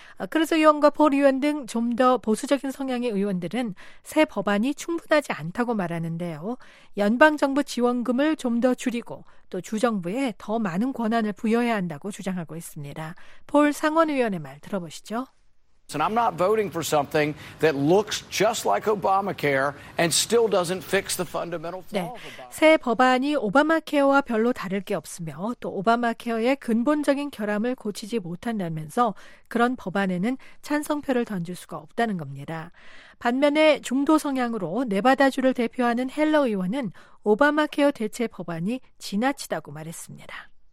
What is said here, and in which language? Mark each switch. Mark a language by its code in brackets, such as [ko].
[ko] 크루즈 의원과 폴 의원 등 좀 더 보수적인 성향의 의원들은 새 법안이 충분하지 않다고 말하는데요. 연방정부 지원금을 좀 더 줄이고 또 주정부에 더 많은 권한을 부여해야 한다고 주장하고 있습니다. 폴 상원 의원의 말 들어보시죠. [en] And I'm not voting for something that looks just like Obamacare and still doesn't fix the fundamental flaws. [ko] 네, 새 법안이 오바마케어와 별로 다를 게 없으며 또 오바마케어의 근본적인 결함을 고치지 못한다면서 그런 법안에는 찬성표를 던질 수가 없다는 겁니다. 반면에 중도 성향으로 네바다주를 대표하는 헬러 의원은 오바마케어 대체 법안이 지나치다고 말했습니다.